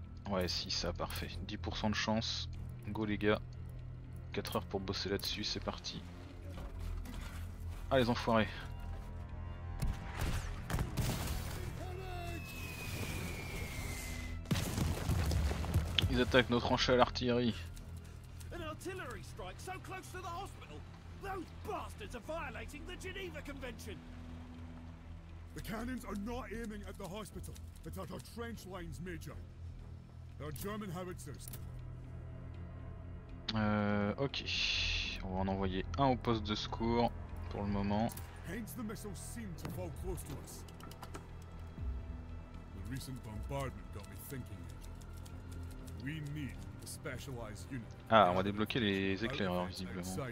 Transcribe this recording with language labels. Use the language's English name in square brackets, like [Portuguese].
[French] Ouais si ça parfait, 10% de chance, go les gars, 4 heures pour bosser là dessus, c'est parti. Ah les enfoirés. Ils attaquent nos tranchées à l'artillerie. [English] An artillery strike so close to the hospital. Those bastards are violating the Geneva Convention. The cannons are not aiming at the hospital, but at our trench lines, Major. They're German howitzers. Ok. [French] On va en envoyer un au poste de secours. Pour le moment. [English] Hence the missiles seem to fall close to us. The recent bombardment got me thinking. We need a specialized unit. [French] Ah, on va débloquer les éclaireurs visiblement.